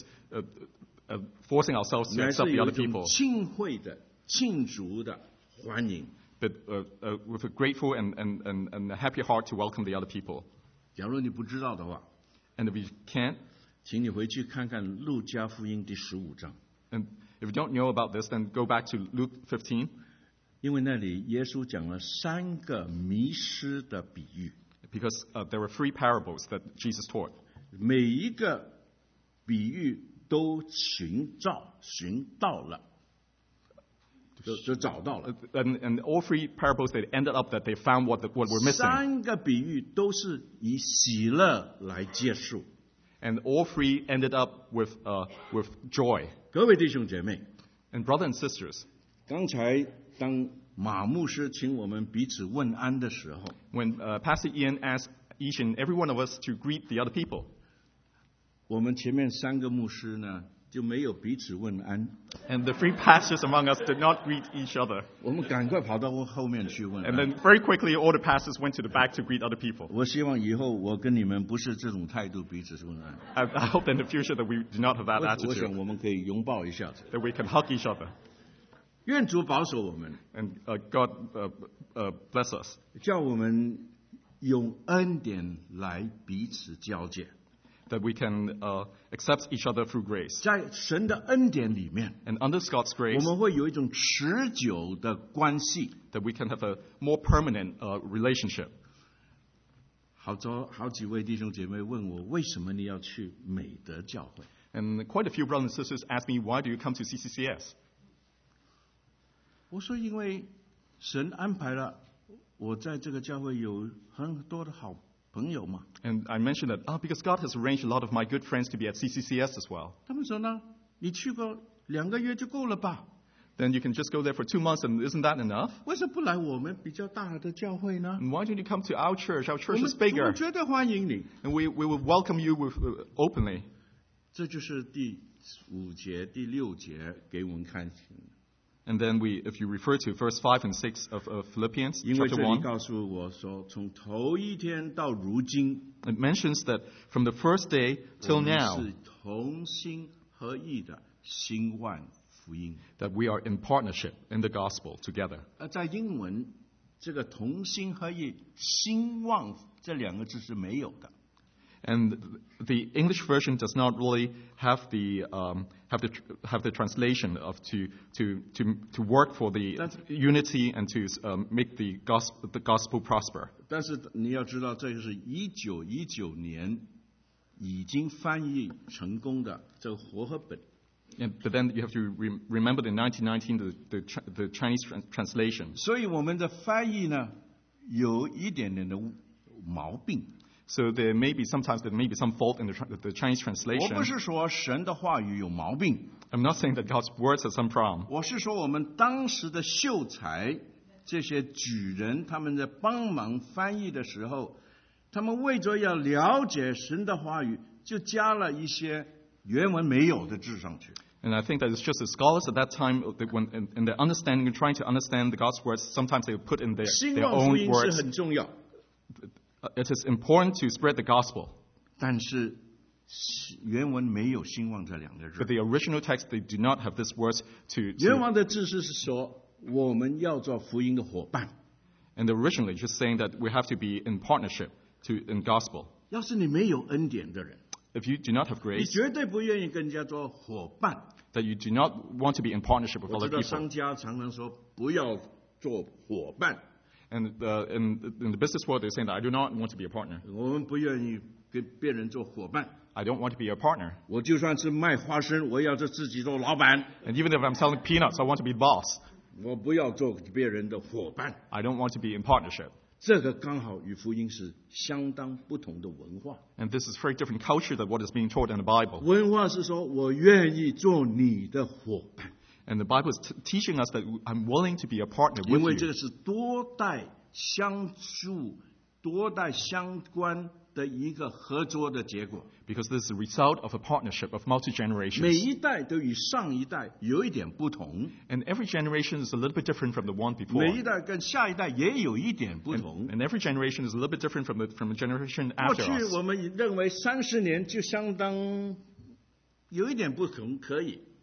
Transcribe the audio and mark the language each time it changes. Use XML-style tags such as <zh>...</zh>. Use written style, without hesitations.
<en>And just forcing ourselves to accept the other people.</en> <zh>庆会的、庆祝的欢迎。</zh> <en>But with a grateful and a happy heart to welcome the other people.</en> <zh>假如你不知道的话。</zh> <en>And if you can't.</en> <zh>请你回去看看《路加福音》第十五章。</zh> <en>And if you don't know about this, then go back to Luke 15.</en> <zh>因为那里耶稣讲了三个迷失的比喻。</zh> <en>Because there were three parables that Jesus taught.</en> <zh>每一个比喻都寻找寻到了，就找到了。</zh> <en>And all three parables they ended up that they found what were missing.</en> <zh>三个比喻都是以喜乐来结束。</zh> <en>And all three ended up with joy.</en> <zh>各位弟兄姐妹</zh> <en>，and brothers and sisters.</en> <zh>刚才当马牧师请我们彼此问安的时候</zh> <en>，when Pastor Ian asked each and every one of us to greet the other people.</en> <zh>我们前面三个牧师呢就没有彼此问安</zh> <en>，and the three pastors among us did not greet each other.</en> <zh>我们赶快跑到后面去问</zh> <en>，and then very quickly all the pastors went to the back to greet other people.</en> <zh>我希望以后我跟你们不是这种态度彼此问安</zh> <en>，I hope in the future that we do not have that attitude.</en> <zh>我想我们可以拥抱一下</zh> <en>，that we can hug each other.</en> <zh>愿主保守我们</zh> <en>，and God bless us，</en> <zh>叫我们用恩典来彼此交接</zh> <en>，that we can accept each other through grace。</en> <zh>在神的恩典里面</zh> <en>，and under God's grace，</en> <zh>我们会有一种持久的关系</zh> <en>，that we can have a more permanent relationship。</en> <zh>好几位弟兄姐妹问我，为什么你要去美德教会</zh> <en>？And quite a few brothers and sisters ask me why do you come to CCCS？</en> <zh>我说，因为神安排了我在这个教会有很多的好朋友嘛。</zh> <en>And I mentioned that, because God has arranged a lot of my good friends to be at CCCS as well.</en> <zh>他们说呢，你去过两个月就够了吧</zh> <en>？Then you can just go there for 2 months, and isn't that enough?</en> <zh>为什么不来我们比较大的教会呢</zh> <en>？And why don't you come to our church? Our church is bigger.</en> <zh>我们绝对欢迎你。</zh> <en>And we will welcome you with openly.</en> <zh>这就是第五节、第六节给我们看。</zh> <en>And then we, if you refer to verse 5 and 6 of Philippians, chapter 1.</en> <zh>告诉我说从头一天到如今,</zh> <en>it mentions that from the first day till now,</en> <zh>我们是同心合意的兴旺福音,</zh> <en>that we are in partnership in the gospel together.</en> <zh>在英文,这个同心合意,兴旺这两个字是没有的。</zh> <en>And the English version does not really have the translation of to work for the unity and to make the gospel prosper.</en> <zh>但是你要知道，这就是1919年已经翻译成功的这个活合本。</zh> <en>But then you have to remember the 1919 the Chinese translation.</en> <zh>所以我们的翻译呢，有一点点的毛病。</zh> <en>So there may be some fault in the Chinese translation.</en> <zh>我不是说神的话语有毛病。</zh> <en>I'm not saying that God's words have some problem.</en> <zh>我是说我们当时的秀才这些举人他们在帮忙翻译的时候，他们为着要了解神的话语，就加了一些原文没有的字上去。</zh> <en>And I think that it's just the scholars at that time, that when in their understanding and trying to understand the God's words, sometimes they put in their own words.</en> <zh>是很重要。</zh> <en>It is important to spread the gospel.</en> <zh>但是原文没有兴旺这两个字。</zh> <en>But the original text, they do not have this words to.</en> <zh>原文的字是说我们要做福音的伙伴。</zh> <en>And originally, just saying that we have to be in partnership to in gospel.</en> <zh>要是你没有恩典的人</zh> <en>，If you do not have grace,</en> <zh>你绝对不愿意跟人家做伙伴。</zh> <en>That you do not want to be in partnership with other people.</en> <zh>我知道商家常常说不要做伙伴。</zh> <en>And in the business world, they're saying that I do not want to be a partner.</en> <zh>我们不愿意跟别人做伙伴。</zh> <en>I don't want to be a partner.</en> <zh>我就算是卖花生，我要自己做老板。</zh> <en>And even if I'm selling peanuts, I want to be boss.</en> <zh>我不要做别人的伙伴。</zh> <en>I don't want to be in partnership.</en> <zh>这个刚好与福音是相当不同的文化。</zh> <en>And this is very different culture than what is being taught in the Bible.</en> <zh>文化是说我愿意做你的伙伴。</zh> <en>And the Bible is teaching us that I'm willing to be a partner with you.</en> <zh>因为这个是多代相助、多代相关的一个合作的结果。</zh> <en>Because this is the result of a partnership of multi-generations.</en> <zh>每一代都与上一代有一点不同。</zh> <en>And every generation is a little bit different from the one before.</en> <zh>每一代跟下一代也有一点不同。</zh> <en>And every generation is a little bit different from the generation after us.</en> <zh>过去我们认为30年就相当有一点不同，可以。</zh>